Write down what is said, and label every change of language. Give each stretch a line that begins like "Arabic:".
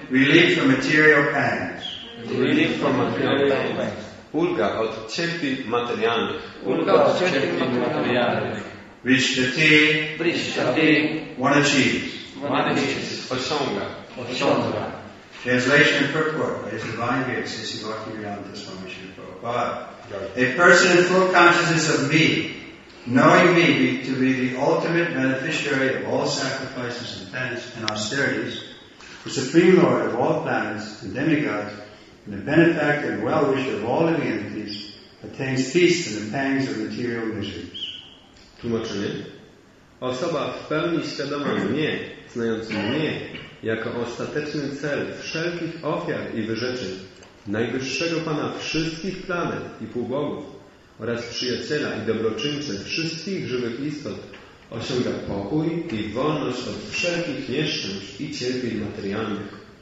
English: Relief from material pains. Relief from material pains.
Polish: Ulga od cierpień materialnych. Ulga od cierpień materialnych.
Sanskrit: Vrishyati. Vrishyati.
English: One achieves. One achieves.
Polish: Osiąga. Osiąga.
English: Translation and purport by His Divine Grace, Srisi Bhaktivedanta Swami Srila Prabhupada. A person in full consciousness of me, knowing me to be the ultimate beneficiary of all sacrifices and penance and austerities, the Supreme Lord of all planets and demigods, and the benefactor and well-wisher of all living entities, attains peace from the pangs of material miseries.
Polish: Tłumaczenie. Osoba w pełni świadoma mnie, znając mnie, jako ostateczny cel wszelkich ofiar i wyrzeczeń, najwyższego Pana wszystkich planet i półbogów oraz przyjaciela i dobroczyńcy wszystkich żywych istot, osiąga pokój i wolność od wszelkich nieszczęść i cierpień materialnych.